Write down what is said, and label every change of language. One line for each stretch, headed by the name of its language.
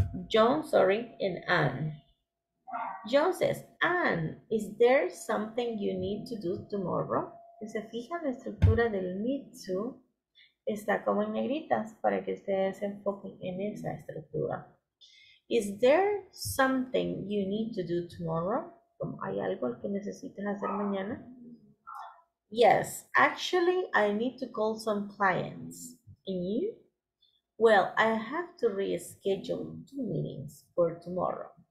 English: John, and Anne. John says, Anne, is there something you need to do tomorrow?
Spanish: Se fija la estructura del need to, está como en negritas para que ustedes se enfoquen en esa estructura.
English: Is there something you need to do tomorrow?
Spanish: Como hay algo que necesites hacer mañana.
English: Yes, actually, I need to call some clients. And you? Well, I have to reschedule 2 meetings for tomorrow.